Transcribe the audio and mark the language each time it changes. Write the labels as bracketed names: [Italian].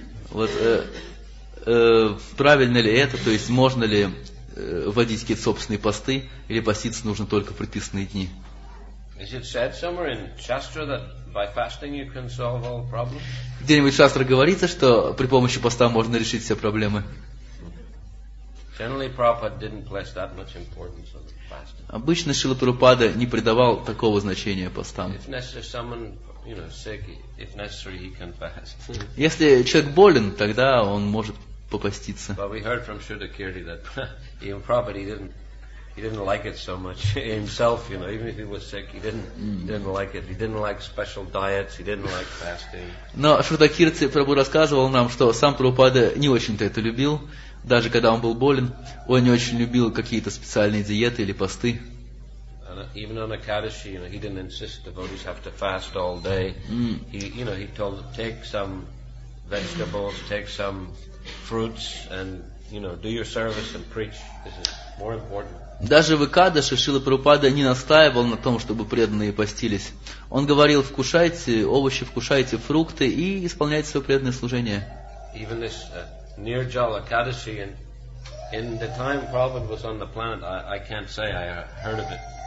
[Russian] Вот правильно ли это, то есть можно ли вводить какие-то собственные посты, или поститься нужно только в предписанные дни? Где-нибудь в шастре говорится, что при помощи поста можно решить все проблемы? [English] Generally, Prabhupada didn't place that much importance on the fasting. [Russian] Обычно Шрила Прабхупада не придавал такого значения постам. [English] If necessary, someone, you know, sick, if necessary, he can fast. [Russian] Если человек болен, тогда он может попаститься. [English] But we heard from Shuddha Kirti that even Prabhupada he didn't like it so much himself, you know, even if he was sick, he didn't like it. He didn't like special diets, he didn't like fasting. [Russian] Но Шрута Кирти Прабху рассказывал нам, что сам Прабхупада не очень-то это любил. Даже когда он был болен, он не очень любил какие-то специальные диеты или посты. [English] Even on Akadashi, you know, he didn't insist devotees have to fast all day. He, you know, he told them, take some vegetables, take some fruits, and, you know, do your service and preach. This is more important. [Russian] Даже в Экадаше Шрила Прабхупада не настаивал на том, чтобы преданные постились. Он говорил, вкушайте овощи, вкушайте фрукты и исполняйте свое преданное служение. [English] Even this Nirjala Kadashi, in the time Prabhupada was on the planet, I can't say I heard of it.